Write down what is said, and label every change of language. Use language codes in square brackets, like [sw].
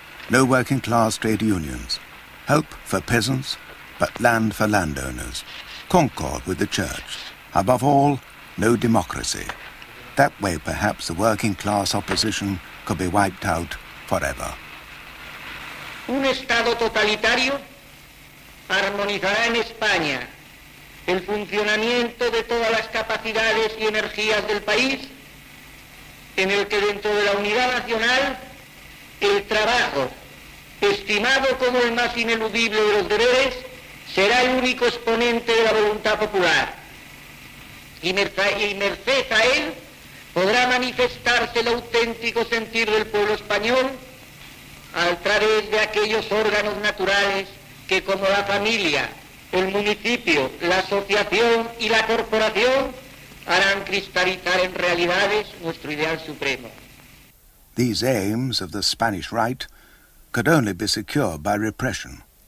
[en] No working class trade unions. Help for peasants, but land for landowners. Concord with the church. Above all, no democracy. That way, perhaps, the working class opposition could be wiped out forever. [es] Un Estado totalitario armonizará en España el funcionamiento de todas las capacidades y energías del país, en el que dentro de la unidad nacional, el trabajo, estimado como el más ineludible de los deberes, será el único exponente de la voluntad popular. Y merced a él, podrá manifestarse el auténtico sentir del pueblo español a través de aquellos órganos naturales que, como la familia, el municipio, la asociación y la corporación, harán cristalizar en realidades nuestro ideal supremo. [en] These aims of the Spanish right could only be secured by repression.